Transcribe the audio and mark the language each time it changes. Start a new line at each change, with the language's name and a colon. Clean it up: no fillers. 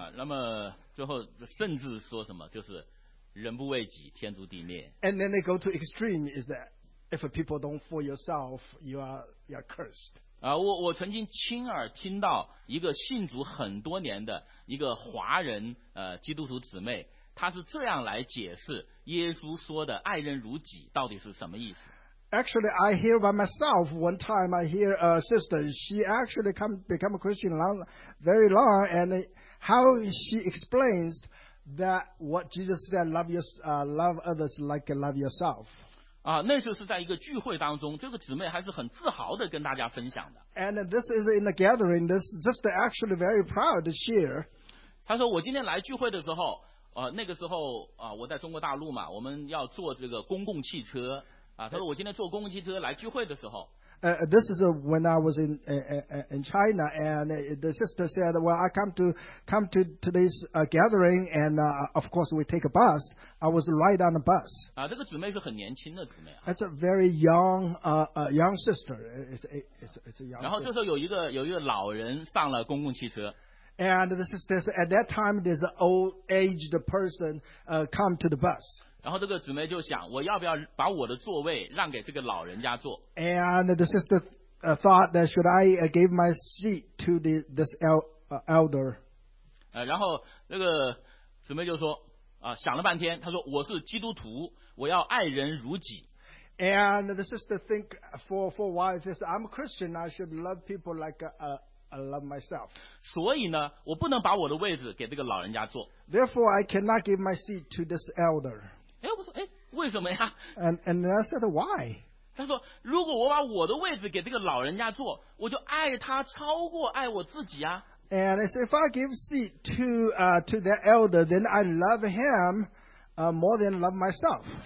Chinese: 那么最后甚至说什么，就是人不为己，天诛地灭。
English: And then they go to extreme is that if people don't for yourself, you are cursed.
Chinese: 我曾经亲耳听到一个信主很多年的一个华人基督徒姊妹，她是这样来解释耶稣说的爱人如己到底是什么意思。
English: Actually, I hear by myself. One time, I hear a sister. She actually become a Christian very long, and how she explains that what Jesus said, love others like love yourself.
Chinese: 那次是在一个聚会当中，这个姊妹还是很自豪的跟大家分享的。
English: And this is in a gathering. This just actually very proud to share.
Chinese: 她说我今天来聚会的时候，那个时候我在中国大陆嘛，我们要坐这个公共汽车啊。她说我今天坐公共汽车来聚会的时候。
English: This is when I was in China, and the sister said, "Well, I come to today's gathering, and of course we take a bus. I was right on the bus."
Chinese: 这个姊妹是很年轻的姊妹啊。
English: That's a very young young sister. It's a young.
Chinese: 然后这时候有一个老人上了公共汽车。
English: And the sister said, at that time, there's an old aged person come to the bus.
Chinese: 然后这个姊妹就想，我要不要把我的座位让给这个老人家坐。
English: And the sister thought that should I give my seat to this elder?
Chinese: 然后那个姊妹就说，想了半天，她说我是基督徒，我要爱人如己。
English: And the sister think for a while, she says, I'm a Christian, I should love people like I love myself.
Chinese: 所以呢，我不能把我的位置给这个老人家坐。
English: Therefore, I cannot give my seat to this elder.
Chinese: 我说，为什么呀？
English: And I said, why?
Chinese: 他说，如果我把我的位置给这个老人家坐，我就爱他超过爱我自己啊。
English: And I said, if I give seat to the elder, then I love him more than love myself.